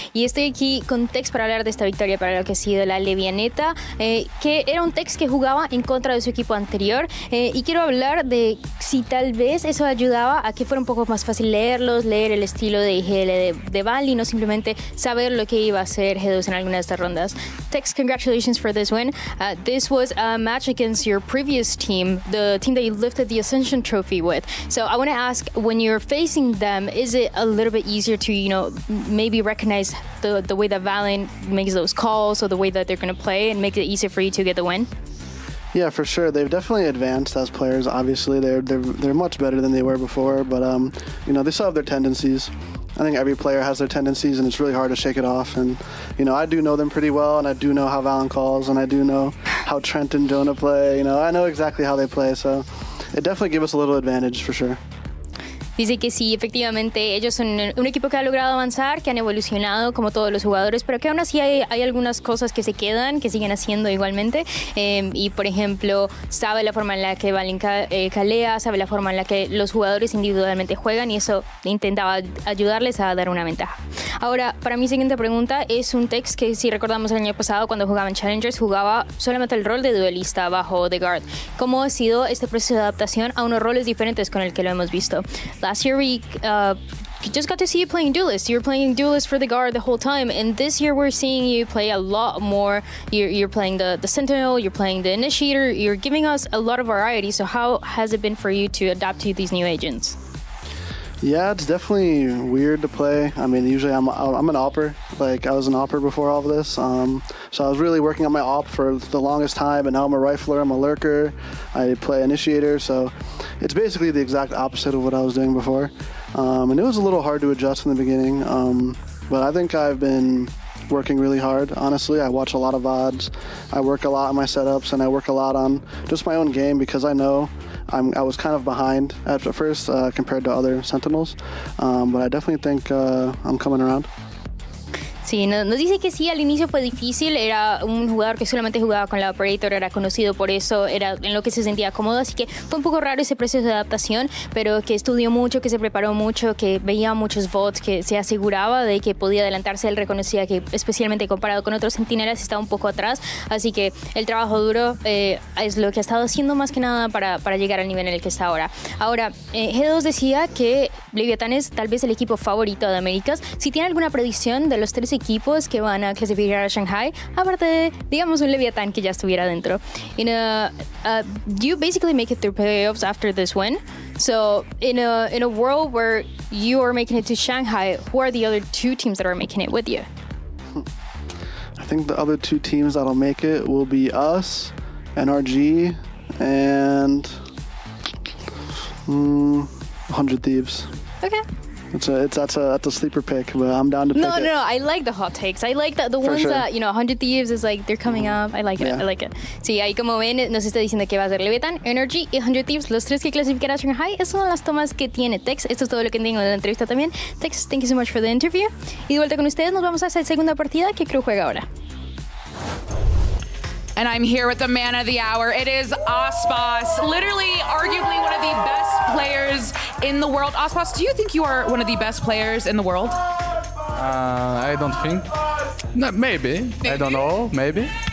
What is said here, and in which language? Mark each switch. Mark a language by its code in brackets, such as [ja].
[es] Y estoy aquí con Tex para hablar de esta victoria para lo que ha sido la Levianeta, que era un Tex que jugaba en contra de su equipo anterior. Y quiero hablar de si tal vez eso ayudaba a que fuera un poco más fácil leerlos, leer el estilo de IGL de Bali, no simplemente saber lo que iba a hacer G2 en alguna de estas rondas. [en] Tex, congratulations for this win. This was a match against your previous team, the team that you lifted the Ascension Trophy with. So I want to ask, when you're facing them, is it a little bit easier to, you know, maybe recognize the way that Valen makes those calls or the way that they're going to play and make it easier for you to get the win? Yeah, for sure. They've definitely advanced as players. Obviously, they're much better than they were before, but, you know, they still have their tendencies. I think every player has their tendencies, and it's really hard to shake it off. And, you know, I do know them pretty well, and I do know how Valen calls, and I do know how Trent and Jonah play. You know, I know exactly how they play, so it definitely gives us a little advantage, for sure. [es] Dice que sí, efectivamente, ellos son un equipo que ha logrado avanzar, que han evolucionado como todos los jugadores, pero que aún así hay algunas cosas que se quedan, que siguen haciendo igualmente. Y, por ejemplo, sabe la forma en la que Valen calea, sabe la forma en la que los jugadores individualmente juegan, y eso intentaba ayudarles a dar una ventaja. Ahora, para mi siguiente pregunta, es un Tex que, si recordamos el año pasado, cuando jugaban Challengers, jugaba solamente el rol de duelista bajo The Guard. ¿Cómo ha sido este proceso de adaptación a unos roles diferentes con el que lo hemos visto? [en] Last year, we just got to see you playing duelist. You were playing duelist for the guard the whole time. And this year, we're seeing you play a lot more. You're playing the Sentinel. You're playing the Initiator. You're giving us a lot of variety. So how has it been for you to adapt to these new agents? Yeah, it's definitely weird to play. I mean, usually I'm an AWPer. Like, I was an AWPer before all of this. So I was really working on my AWP for the longest time, and now I'm a rifler, I'm a lurker. I play initiator, so it's basically the exact opposite of what I was doing before. And it was a little hard to adjust in the beginning, but I think I've been working really hard, honestly. I watch a lot of VODs. I work a lot on my setups, and I work a lot on just my own game because I know I was kind of behind at first compared to other Sentinels, but I definitely think I'm coming around. [es] Sí, nos dice que sí, al inicio fue difícil, era un jugador que solamente jugaba con la Operator, era conocido por eso, era en lo que se sentía cómodo, así que fue un poco raro ese proceso de adaptación, pero que estudió mucho, que se preparó mucho, que veía muchos bots, que se aseguraba de que podía adelantarse, él reconocía que especialmente comparado con otros centinelas estaba un poco atrás, así que el trabajo duro es lo que ha estado haciendo más que nada para llegar al nivel en el que está ahora. Ahora, G2 decía que Leviatán es tal vez el equipo favorito de Américas. Si tiene alguna predicción de los tres equipos que van a clasificar a Shanghai, aparte de, digamos, un Leviatán que ya estuviera dentro. [en] You basically make it through playoffs after this win. So, in a world where you are making it to Shanghai, who are the other two teams that are making it with you? I think the other two teams that'll make it will be us, NRG, and 100 Thieves. Okay. That's a sleeper pick, but I'm down to pick it. No, I like the hot takes. I like the ones sure. That, you know, 100 Thieves is like, they're coming up. I like it, yeah. I like it. [es] Sí, ahí como ven, nos está diciendo que va a ser Leviatán, Energy y 100 Thieves, los tres que clasificarán a Shanghai. Esas son las tomas que tiene Tex. Esto es todo lo que tengo en la entrevista también. [en] Tex, thank you so much for the interview. [es] Y de vuelta con ustedes, nos vamos a esa segunda partida que Crew juega ahora. [en] And I'm here with the man of the hour. It is ASPAS, literally, arguably one of the best players in the world. ASPAS, do you think you are one of the best players in the world? I don't think. No, maybe. I don't know. Maybe.